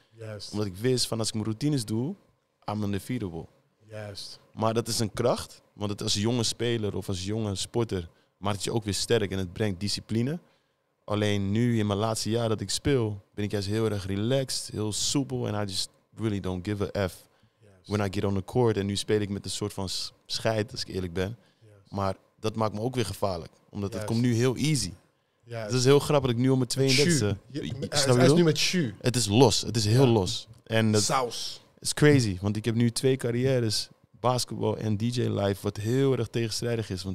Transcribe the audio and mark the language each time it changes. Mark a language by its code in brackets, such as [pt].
[nl] Juist. Omdat ik wist van, als ik mijn routines doe, [en] I'm undefeatable. [nl] Juist. Maar dat is een kracht, want het als jonge speler of als jonge sporter maakt je ook weer sterk en het brengt discipline. Alleen nu in mijn laatste jaar dat ik speel, ben ik juist heel erg relaxed, heel soepel. [en] En I just really don't give a F when I get on the court. [nl] En nu speel ik met een soort van scheid, als ik eerlijk ben. [en] Yes. [nl] Maar dat maakt me ook weer gevaarlijk, omdat het komt nu heel easy. [en] Yes. [nl] Het is heel grappig dat ik nu op mijn 32e... Hij is nu met Shu. Het is los, het is heel los. En dat, saus. Het is crazy, want ik heb nu twee carrières, basketbal en DJ life, wat heel erg tegenstrijdig is.